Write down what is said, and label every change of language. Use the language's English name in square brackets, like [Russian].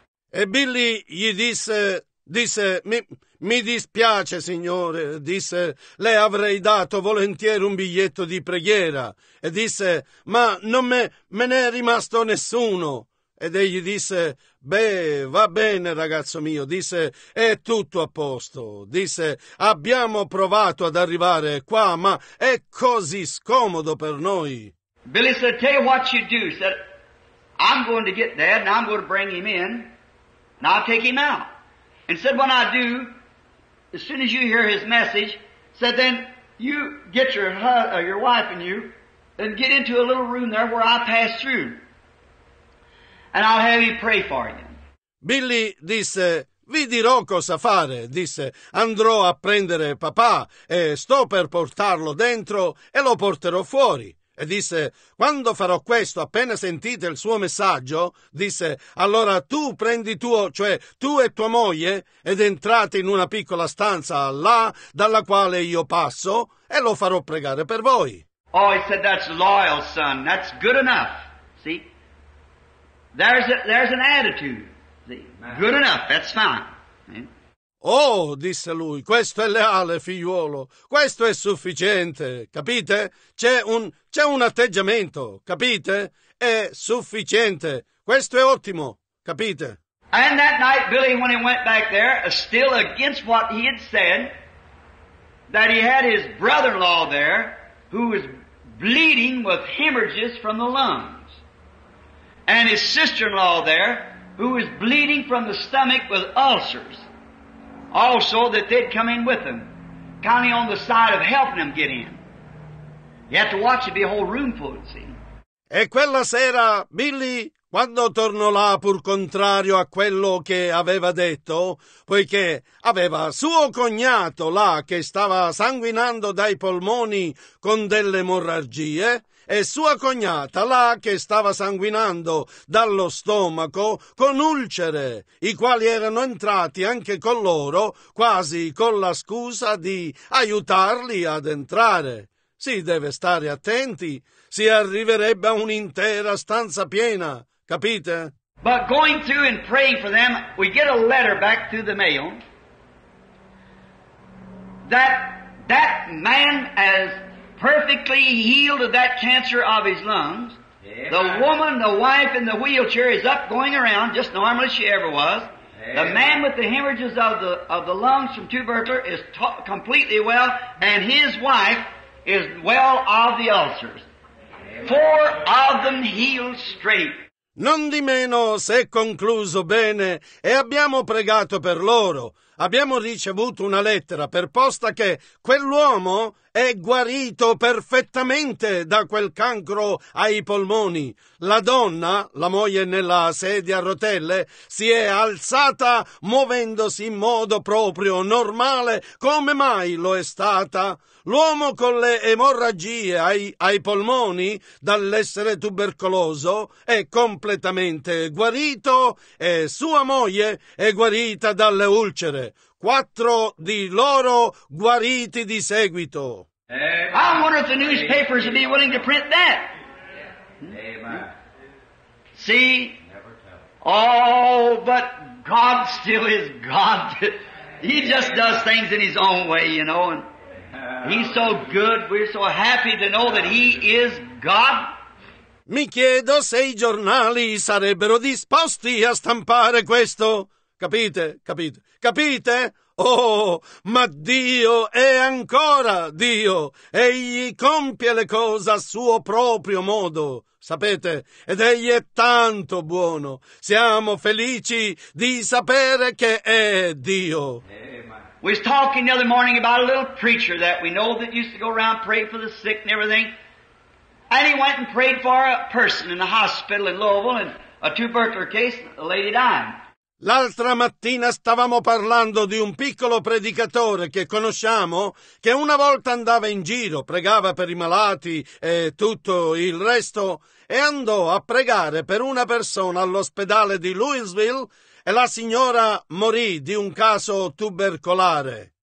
[Italian] E Billy gli disse, mi dispiace, signore, disse, le avrei dato volentieri un biglietto di preghiera. E disse, ma non me ne è rimasto nessuno. Ed egli disse, beh, va bene, ragazzo mio, disse, è tutto a posto. Disse, abbiamo provato ad arrivare qua, ma è così scomodo per noi. [English] Billy said, tell you what you do. He said, I'm going to get Dad and I'm going to bring him in and I'll take him out. And said, when I do, as soon as you hear his message, said, then you get your wife and you and get into a little room there where I pass through. And I'll have him pray for you. [Italian] Billy disse, vi dirò cosa fare. Disse, andrò a prendere papà e sto per portarlo dentro e lo porterò fuori. E disse, quando farò questo, appena sentite il suo messaggio, disse, allora tu prendi tu e tua moglie ed entrate in una piccola stanza là dalla quale io passo e lo farò pregare per voi. [English] Oh, he said, that's loyal, son. That's good enough. See? There's an attitude. See? Good enough. That's fine. [Italian] Oh, disse lui, questo è leale, figliuolo, questo è sufficiente, capite? C'è un atteggiamento, capite? È sufficiente, questo è ottimo, capite? [English] And that night, Billy, when he went back there, still against what he had said, that he had his brother-in-law there, who was bleeding with hemorrhages from the lungs, and his sister-in-law there, who was bleeding from the stomach with ulcers. Also, that they'd come in with him, counting on the side of helping him get in. You have to watch it, be a whole room full, it seems. [Italian] E quella sera, Billy, quando tornò là, pur contrario a quello che aveva detto, poiché aveva suo cognato là che stava sanguinando dai polmoni con delle emorragie, e sua cognata là che stava sanguinando dallo stomaco con ulcere, i quali erano entrati anche con loro, quasi con la scusa di aiutarli ad entrare. Si deve stare attenti, si arriverebbe a un'intera stanza piena, capite? [English] But going through and praying for them, we get a letter back through the mail that man has perfectly healed of that cancer of his lungs. Yeah. The woman, the wife in the wheelchair is up going around just normal as she ever was. Yeah. The man with the hemorrhages of the lungs from tubercular is completely well, and his wife is well of the ulcers. Yeah. Four of them healed straight. [Italian] Non di meno, se è concluso bene e abbiamo pregato per loro, abbiamo ricevuto una lettera per posta che quell'uomo è guarito perfettamente da quel cancro ai polmoni. La donna, la moglie nella sedia a rotelle, si è alzata muovendosi in modo proprio normale, come mai lo è stata. L'uomo con le emorragie ai polmoni dall'essere tubercoloso è completamente guarito e sua moglie è guarita dalle ulcere. Quattro di loro guariti di seguito. [English] I wonder if the newspapers would be willing to print that. Amen. See? Oh, but God still is God. He just does things in His own way, you know. And He's so good. We're so happy to know that He is God. [Italian] Mi chiedo se i giornali sarebbero disposti a stampare questo. Capite? Capite? Capite? Oh, ma Dio è ancora Dio. Egli compie le cose a suo proprio modo, sapete? Ed Egli è tanto buono. Siamo felici di sapere che è Dio. Amen. [English] We was talking the other morning about a little preacher that we know that used to go around pray for the sick and everything. And he went and prayed for a person in the hospital in Louisville in a tubercular case, a lady died. [Italian] L'altra mattina stavamo parlando di un piccolo predicatore che conosciamo, che una volta andava in giro, pregava per i malati e tutto il resto, e andò a pregare per una persona all'ospedale di Louisville, e la signora morì di un caso tubercolare.